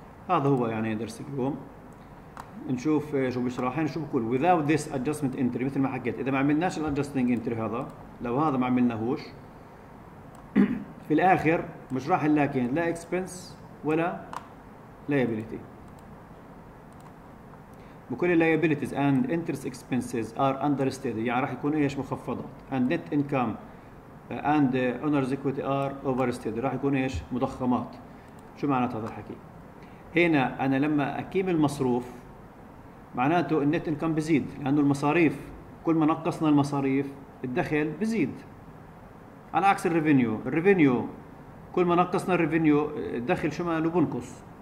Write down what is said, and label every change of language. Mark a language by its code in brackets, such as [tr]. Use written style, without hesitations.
[ar] هذا هو يعني درس اليوم. نشوف شو بيشرح، شو بقول [en] without this adjustment entry، [ar] مثل ما حكيت اذا ما عملناش الادجستنج انتري هذا، لو هذا ما عملناهوش في الاخر مش راح نلاقي لا اكسبنس ولا liability. بكل [en] liabilities and interest expenses are understated، [ar] يعني راح يكون ايش؟ مخفضات. [en] and net income and owner's equity are overstated، [ar] راح يكون ايش؟ مضخمات. شو معنى هذا الحكي؟ هنا انا لما اقيم المصروف معناته النت انكم بزيد، لانه المصاريف كل ما نقصنا المصاريف الدخل بزيد، على عكس الريفينيو. الريفينيو كل ما نقصنا الريفينيو الدخل شو ماله؟ بنقص.